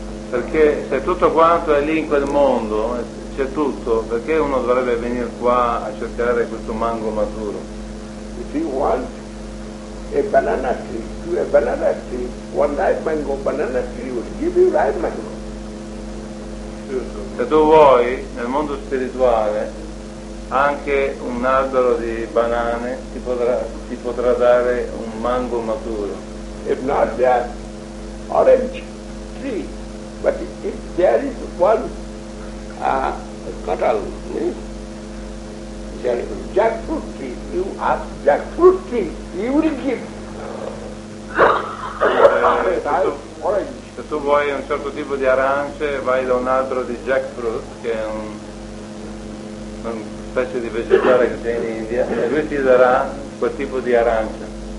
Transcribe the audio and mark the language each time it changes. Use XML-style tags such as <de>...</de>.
<it>Perché se tutto quanto è lì in quel mondo, c'è tutto, perché uno dovrebbe venire qua a cercare questo mango maturo?</it> <en>If you want a banana tree, to a banana tree, one ripe mango banana tree will give you ripe mango.</en> <it>Se tu vuoi, nel mondo spirituale, anche un albero di banane ti potrà dare un mango maturo.</it> <en>If not that, orange tree, but if there is one, jackfruit tree, you ask jackfruit tree, he will give.</en> <it>Se tu vuoi un certo tipo di arance, vai da un altro di jackfruit, che è una specie di vegetale che c'è in India, e lui ti darà quel tipo di arancia.</it>